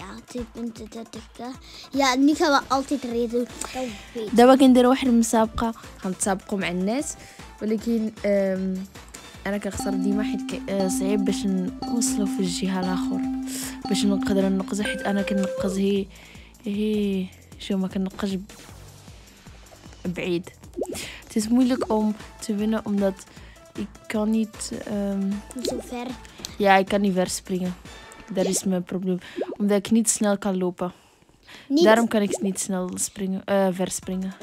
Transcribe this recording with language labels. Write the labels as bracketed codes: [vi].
[nl] 2.30k. Ja, 2.30k. Ja, nu gaan we altijd reden. Dat was in de rooie مسابقة. Gaan we [ar] سابقوا مع الناس. ولكن انا كنخسر ديما حيت صعيب باش نوصلوا في الجهة الاخر باش نقدر ننقز, حيت انا كنقز هي شو ما كنقز بعيد. [nl] Het is moeilijk om te winnen omdat ik kan niet zo ver. Ja, ik kan niet ver springen. Dat is mijn probleem. Omdat ik niet snel kan lopen. Niet. Daarom kan ik niet snel ver springen.